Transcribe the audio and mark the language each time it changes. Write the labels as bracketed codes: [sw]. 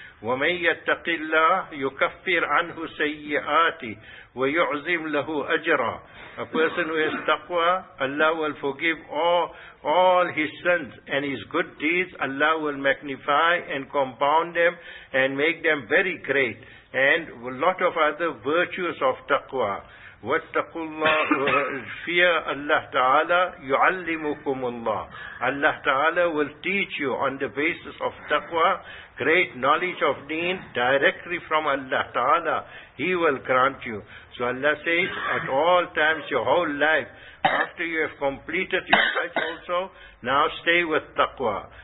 [ar] وَمَنْ يَتَّقِ اللَّهِ يُكَفِّرْ عَنْهُ سَيِّئَاتِ وَيُعْزِمْ لَهُ أَجْرًا. [en] A person who has taqwa, Allah will forgive all his sins and his good deeds. Allah will magnify and compound them and make them very great. And a lot of other virtues of taqwa. [ar] وَاتَّقُوا اللَّهِ [en] Fear Allah Ta'ala, [ar] يُعَلِّمُكُمُ اللَّهِ. [en] Allah Ta'ala will teach you on the basis of taqwa, great knowledge of deen, directly from Allah Ta'ala. He will grant you. So Allah says, at all times, your whole life, after you have completed your hajj also, now stay with taqwa.